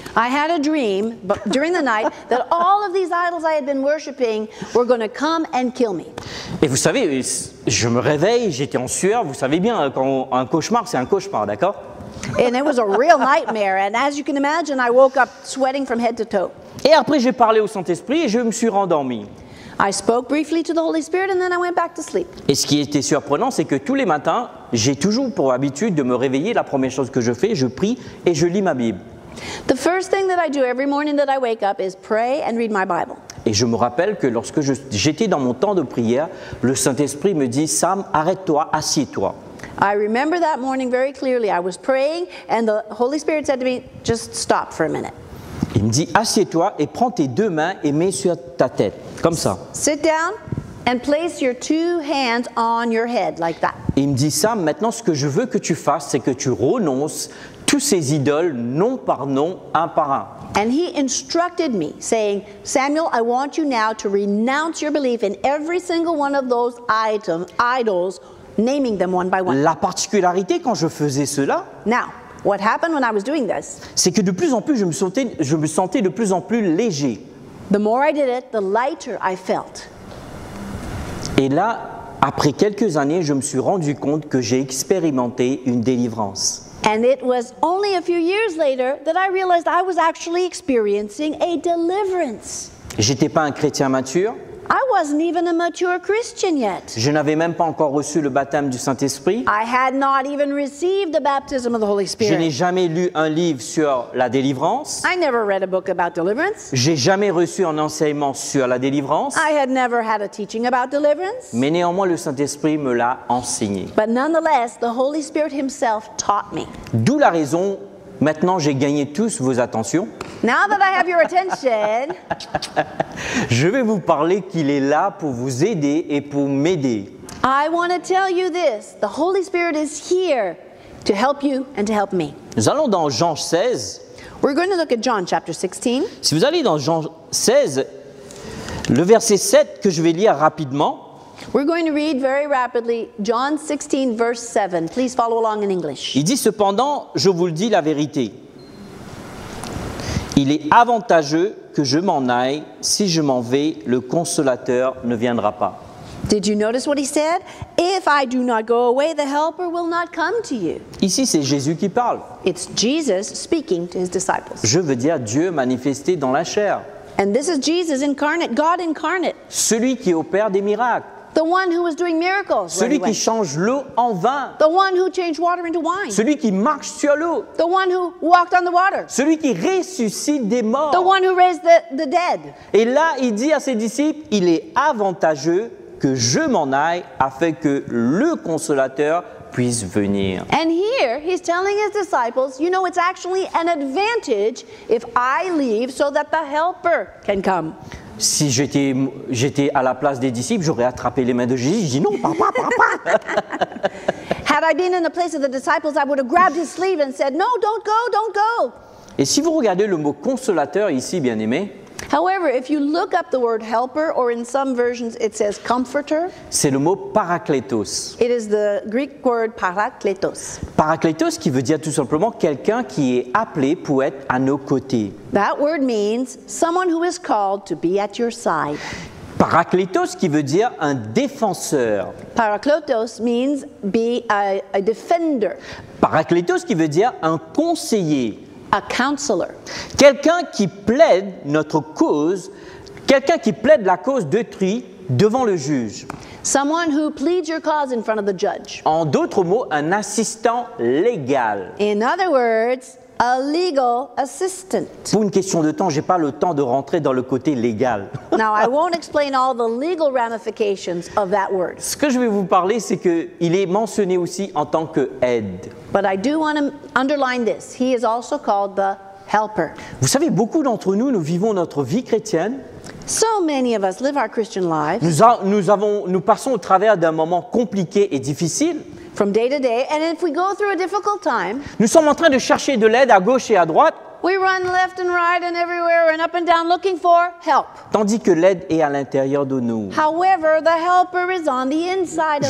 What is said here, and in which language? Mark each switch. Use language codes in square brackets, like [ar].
[en] I had a dream during the night that all of these idols I had been worshiping were going to come and kill me. [fr] Et vous savez, je me réveille, j'étais en sueur. Vous savez bien, quand un cauchemar, c'est un cauchemar, d'accord? [en] And it was a real nightmare. And as you can imagine, I woke up sweating from head to toe. [fr] Et après, j'ai parlé au Saint-Esprit et je me suis rendormi. [en] I spoke briefly to the Holy Spirit and then I went back to sleep. [fr] Et ce qui était surprenant, c'est que tous les matins, j'ai toujours pour habitude de me réveiller. La première chose que je fais, je prie et je lis ma Bible. [en] The first thing that I do every morning that I wake up is pray and read my Bible. [fr] Et je me rappelle que lorsque j'étais dans mon temps de prière, le Saint-Esprit me dit, Sam, arrête-toi, assieds-toi. [en] I remember that morning very clearly. I was praying and the Holy Spirit said to me, just stop for a minute. [fr] Il me dit, assieds-toi et prends tes deux mains et mets sur ta tête, comme ça. [en] Sit down and place your two hands on your head, like that. [fr] Il me dit, Sam, maintenant ce que je veux que tu fasses, c'est que tu renonces tous ces idoles, nom par nom, un par un. [en] And he instructed me, saying, Samuel, I want you now to renounce your belief in every single one of those idols, naming them one by one. [fr] La particularité quand je faisais cela, [en] now, what happened when I was doing this? [fr] C'est que de plus en plus, je me sentais de plus en plus léger. [en] The more I did it, the lighter I felt. [fr] Et là, après quelques années, je me suis rendu compte que j'ai expérimenté une délivrance. [en] And it was only a few years later that I realized I was actually experiencing a deliverance. [fr] J'étais pas un chrétien mature. [en] I wasn't even a mature Christian yet. [fr] Je n'avais même pas encore reçu le baptême du Saint-Esprit. [en] I had not even received the baptism of the Holy Spirit. [fr] Je n'ai jamais lu un livre sur la délivrance. [en] I never read a book about deliverance. [fr] J'ai jamais reçu un enseignement sur la délivrance. [en] I had never had a teaching about deliverance. [fr] Mais néanmoins, le Saint-Esprit me l'a enseigné. [en] But nonetheless, the Holy Spirit himself taught me. [fr] D'où la raison, maintenant j'ai gagné tous vos attentions. [en] Now that I have your attention, [fr] je vais vous parler qu'il est là pour vous aider et pour m'aider. [en] I want to tell you this, the Holy Spirit is here to help you and to help me. [fr] Nous allons dans Jean 16. [en] We're going to look at John chapter 16. [fr] Si vous allez dans Jean 16, le verset 7 que je vais lire rapidement. [en] We're going to read very rapidly John 16 verse 7. Please follow along in English. [fr] Il dit cependant, je vous le dis la vérité. Il est avantageux que je m'en aille. Si je m'en vais, le Consolateur ne viendra pas. [en] Did you notice what he said? If I do not go away, the Helper will not come to you. [fr] Ici, c'est Jésus qui parle. [en] It's Jesus speaking to his disciples. [fr] Je veux dire Dieu manifesté dans la chair. [en] And this is Jesus incarnate, God incarnate. [fr] Celui qui opère des miracles. [en] The one who was doing miracles. [fr] Celui qui change l'eau en vin. [en] The one who changed water into wine. [fr] Celui qui marche sur l'eau. [en] The one who walked on the water. [fr] Celui qui ressuscite des morts. [en] The one who raised the dead. [fr] Et là, il dit à ses disciples, il est avantageux que je m'en aille afin que le Consolateur puisse venir. [en] And here, he's telling his disciples, you know, it's actually an advantage if I leave so that the Helper can come. [fr] Si j'étais à la place des disciples, j'aurais attrapé les mains de Jésus. Je dis non, papa. [en] Had I been in the place of the disciples, I would have grabbed his sleeve and said, no, don't go. [fr] Et si vous regardez le mot consolateur ici, bien aimé. [en] However, if you look up the word helper, or in some versions it says comforter. [fr] C'est le mot parakletos. [en] It is the Greek word parakletos. [fr] Parakletos qui veut dire tout simplement quelqu'un qui est appelé pour être à nos côtés. [en] That word means someone who is called to be at your side. [fr] Parakletos qui veut dire un défenseur. [en] Parakletos means be a defender. [fr] Parakletos qui veut dire un conseiller. [en] A counselor. [fr] Quelqu'un qui plaide notre cause, quelqu'un qui plaide la cause d'autrui devant le juge. [en] Someone who pleads your cause in front of the judge. [fr] En d'autres mots, un assistant légal. [en] In other words, a legal assistant. [fr] Pour une question de temps, j'ai pas le temps de rentrer dans le côté légal. [en] Now, I won't explain all the legal ramifications of that word. [fr] Ce que je vais vous parler, c'est qu'il est mentionné aussi en tant qu'aide. [en] But I do want to underline this. He is also called the helper. [fr] Vous savez, beaucoup d'entre nous, nous vivons notre vie chrétienne. [en] So many of us live our Christian lives. [fr] Nous passons au travers d'un moment compliqué et difficile. [en] From day to day, and if we go through a difficult time, [fr] nous sommes en train de chercher de l'aide à gauche et à droite. [en] We run left and right and everywhere and up and down looking for help. [fr] Tandis que l'aide est à l'intérieur de nous. [en] However, the helper is on the inside of